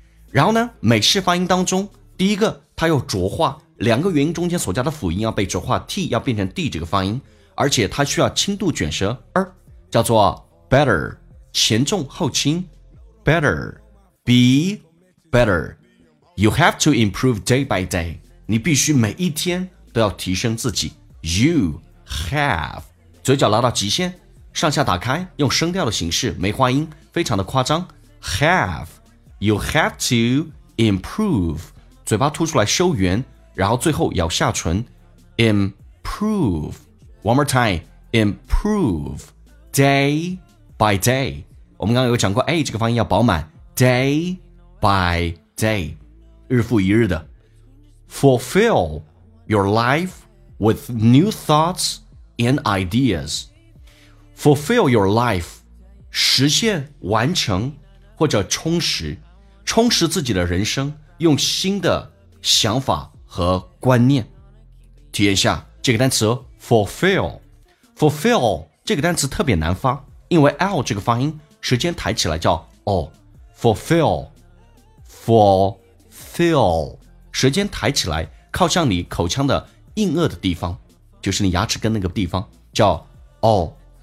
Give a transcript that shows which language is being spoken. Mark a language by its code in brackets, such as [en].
[zh] 然后呢，美式发音当中第一个它有浊化，两个元音中间所加的辅音要被浊化， T 要变成 D 这个发音，而且它需要轻度卷舌，而叫做 better前重后轻， [en] better, be better. You have to improve day by day. [zh] 你必须每一天都要提升自己。 [en] You have. [zh] 嘴角拉到极限，上下打开，用声调的形式，没发音，非常的夸张。 [en] Have. You have to improve. [zh] 嘴巴凸出来收圆，然后最后咬下唇， improve. [en] One more time. Improve. Day by day. [zh] 我们刚刚有讲过 A 这个发音要饱满， [en] Day by day， [zh] 日复一日的。 [en] Fulfill your life with new thoughts and ideas. Fulfill your life， [zh] 实现完成或者充实，充实自己的人生，用新的想法和观念。体验一下这个单词 Fulfill。Fulfill 这个单词特别难发，因为 L 这个发音时间抬起来叫 O， fulfill， fulfill， 时间抬起来靠向你口腔的硬腭的地方，就是你牙齿根那个地方，叫 O，